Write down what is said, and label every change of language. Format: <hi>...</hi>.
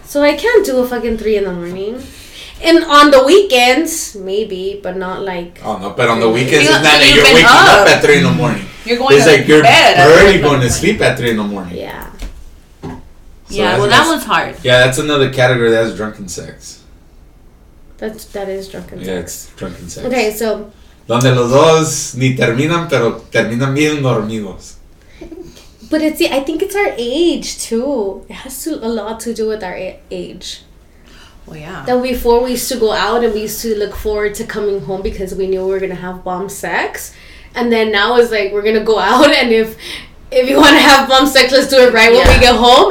<en>So I can't do a fucking 3 in the morning. And on the weekends, maybe, but not like... Oh, no, but on the weekends, it's not like you're waking up at 3 in the morning. You're going it's to like bed. It's like you're barely going to sleep at 3 in the morning. Yeah. So yeah, well, that one's hard. Yeah, that's another category that has drunken sex. That is drunken sex. Yeah, it's drunken sex. Okay, so...</en> <es>Donde los dos ni terminan, pero terminan bien dormidos.</es> <en>But it's, I think it's our age, too. It has to, a lot to do with our age. Well, yeah. That before we used to go out and we used to look forward to coming home because we knew we were going to have bomb sex. And then now it's like, we're going to go out and if you want to have bomb sex, let's do it right when we get home.</en>